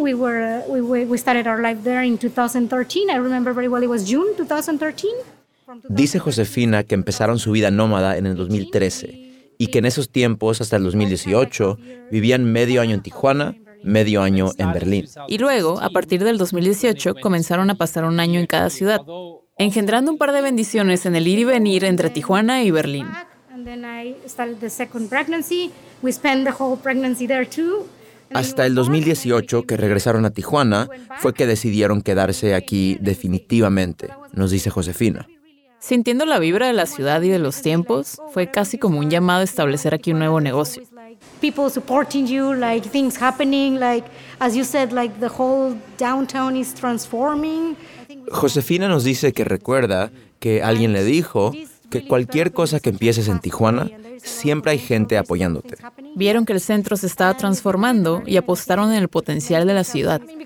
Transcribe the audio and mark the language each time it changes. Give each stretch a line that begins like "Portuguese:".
English: We started our life there in 2013. I remember very well. It was June 2013.
Spanish: Dice Josefina que empezaron su vida nómada en el 2013 y que en esos tiempos, hasta el 2018, vivían medio año en Tijuana, medio año en Berlín. Y luego, a partir del 2018, comenzaron a pasar un año en cada ciudad, engendrando un par de bendiciones en el ir y venir entre Tijuana y Berlín.
English: And then I started the second pregnancy. We spent the whole pregnancy there too.
Spanish: Hasta el 2018, que regresaron a Tijuana, fue que decidieron quedarse aquí definitivamente, nos dice Josefina. Sintiendo la vibra de la ciudad y de los tiempos, fue casi como un llamado a establecer aquí un nuevo negocio.
English: People supporting you, like things happening, like as you said, like the whole downtown is transforming.
Spanish: Josefina nos dice que recuerda que alguien le dijo que cualquier cosa que empieces en Tijuana, siempre hay gente apoyándote. Vieron que el centro se estaba transformando y apostaron en el potencial de la ciudad.